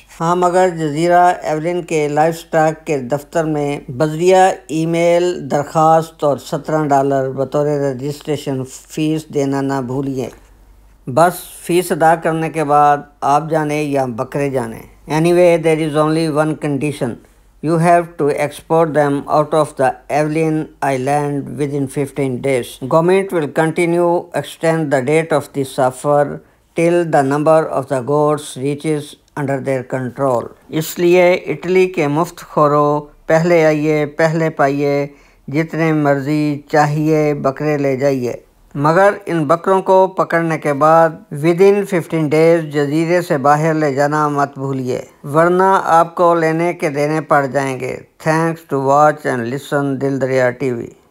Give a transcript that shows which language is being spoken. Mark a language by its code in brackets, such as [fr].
[ur] ہاں, مگر جزیرہ ایولن کے لائف اسٹاک کے دفتر میں بذریعہ ای میل درخواست اور $17 بطور رجسٹریشن فیس دینا نہ بھولیے. بس فیس ادا کرنے کے بعد آپ جانے یا بکرے جانے. [en] Anyway, there is only one condition. You have to export them out of the Evelyn Island within 15 days. Government will continue extend the date of the suffer till the number of the goats reaches under their control. [ur] اس لیے Italy کے مفت خورو, پہلے آئیے پہلے پائیے, جتنے مرضی چاہیے بکرے لے جائیے, مگر ان بکروں کو پکڑنے کے بعد [en] within 15 days [ur] جزیرے سے باہر لے جانا مت بھولیے, ورنہ آپ کو لینے کے دینے پڑ جائیں گے. [en] thanks to watch and listen [ur] دل دریا ٹی وی.